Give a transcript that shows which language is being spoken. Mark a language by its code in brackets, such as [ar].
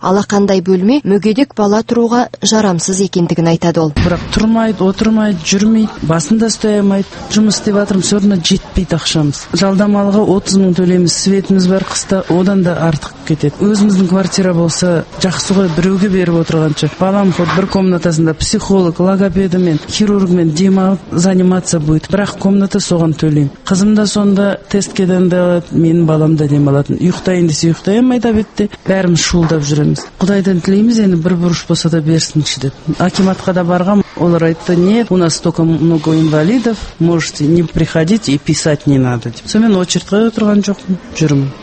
[kk] Алақандай бөлме мүгедек бала тұруға жарамсыз екендігін айтады ол. Бірақ тұрмайды, отырмайды, жүрмейді, басында ұстай алмайды. Жұмыс істеп отырмын, сөрінде жетпейді ақшамыз. Жалдамалыға 30 мың төлейміз, светіміз бар қыста, одан да артық кетеді. Өзіміздің квартира болса, жақсы ғой, біреуге беріп отырғанша. Балам қой, бір комнатасында психолог, логопедімен, хирургмен демалып, [ru] заниматься будет. [kk] Бірақ комната соған төлейм. Қызым да сонда тестке дайындалады, менің балам да демалатын. Ұйықтайын десе ұйықтай алмайды әбетте, бәріміз шуылдап жүреміз. Құдайдан тілейміз, енді бір бұрыш болса да берсінші деп. Акиматқа да барғам, олар айтты, [ru] нет, у нас только много инвалидов, можете не приходить и писать не надо. [kk] Сонымен очередь қойып отырған жоқ, жүрмін.